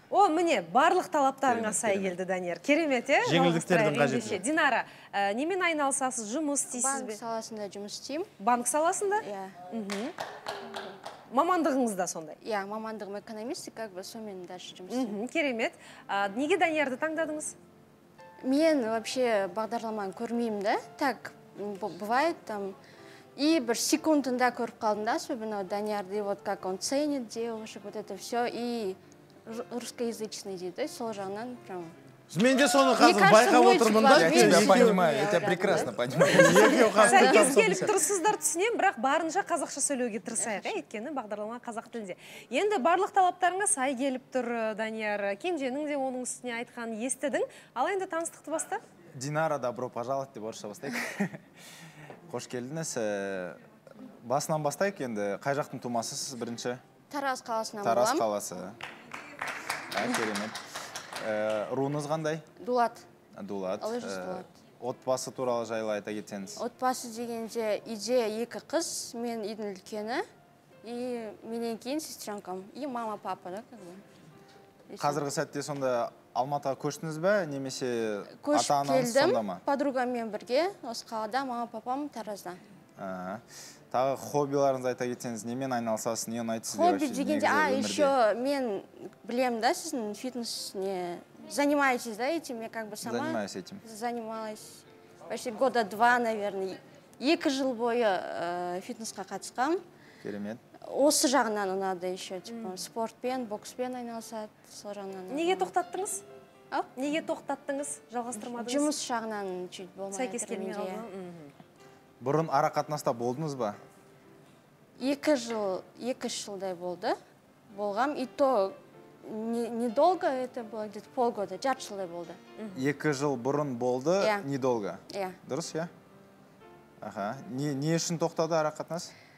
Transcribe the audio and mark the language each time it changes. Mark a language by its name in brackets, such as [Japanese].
[Kazakh] О, міне, барлық талаптарыңа сай келді, Данияр. Керемет, е? Жеңілдіктердің қажетті. Динара, немен айналысасыз, жұмыс істейсіз бе? Банк саласында жұмыс істейм. Банк саласында? Иә. Мамандығыңыз да сонда? Иә, мамандығым экономистик, [Russian] как бы [Kazakh] сонымен дәрші жұмыс. Керемет. Неге Даниярды таңдадыңыз? Мен [Russian] вообще [Kazakh] бағдарламаны көрмеймін да, [Russian] так бывает там. [Kazakh] И бір секундында көріп қалдым да, [Russian] особенно Даниярды, вот как он ценит девушек, вот это все. И русскоязычный [Kazakh] дейді, сол жағынан [Russian] прям. [Kazakh] Мен де соны қазір байқап отырмын да. [Russian] Я тебя понимаю, я тебя прекрасно понимаю. [Kazakh] Сәйкес келіп тұрсыздар түсінем, бірақ барынша қазақша сөйлеуге тырысайық, өйткені бағдарлама қазақ тілінде. Енді барлық талаптарыңа сай келіп тұр, Данияр. Кенженің де оның үстіне айтқан естідің. Ал енді таныстықты баста. Динара, [Russian] добро пожаловать, [Kazakh] деп орысша бастайық. Қош келдіңіз. Басынан бастайық енді. Қай жақтың тумасысыз бірінші? Тараз қаласынан. Тараз қаласы. Керемет. Руыңыз қандай? Дулат. Дулат. Алыш Дулат. Отбасы туралы жайлы айта кетсеңіз. Отбасы дегенде үйде екі қыз, мен үйдің үлкені, и менен кейін [Russian] сестренкам, и мама, папа. [Kazakh] Қазіргі сәтте сонда Алматыға көштіңіз бе, немесе ата-анаңыз сонда ма? Көшіп келдім, подругаммен бірге, осы қалада [Russian] мама, папам [Kazakh] Таразда. Тағы хоббиларыңыз айта кетсеңіз, немен айналысасыз, не ұнайтысыз? Хобби дегенде, [Russian] еще [Kazakh] мен білем, [Russian] да, [Kazakh] сіздің фитнес [Russian] не занимаетесь, да, этим, мен как бы сама. Занимаюсь этим. Занималась почти года два, наверное. [Kazakh] Екі жыл бойы фитнесқа қатысқам. Керемет. Осы жағынан ұнады [Russian] еще, типа, [Kazakh] спортпен, бокспен айналысады, сол жағынан. Неге тоқтаттыңыз? Неге тоқтаттыңыз, жалғастырмадыңыз? Жұмыс жағынан [Russian] чуть [Kazakh] болмай. Сәйкес келмей қалды. Бұрын ара қатынаста болдыңыз ба? Екі жылдай болды. Болғам, [Russian] и то недолго это было, где-то полгода, [Kazakh] жарты жылдай болды. Екі жыл бұрын болды, [Russian] недолго? [Kazakh] Иә. Дұрыс, иә? Аха. Не үшін тоқтады ара қатынас?